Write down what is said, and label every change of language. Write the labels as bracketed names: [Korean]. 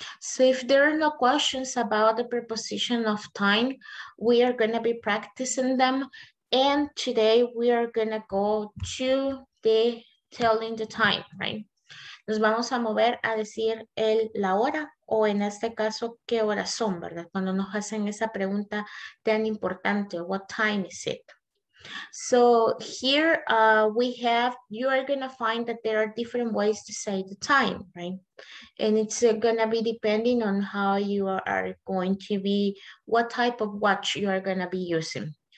[English] So if there are no questions about the preposition of time, we are going to be practicing them. And today we are going to go to the telling the time, right? [Spanish] Nos vamos a mover a decir la hora o en este caso, qué horas son, ¿verdad? Cuando nos hacen esa pregunta tan importante, [English] what time is it? So here we have, you are going to find that there are different ways to say the time, right? And it's going to be depending on how you are going to be, what type of watch you are going to be using.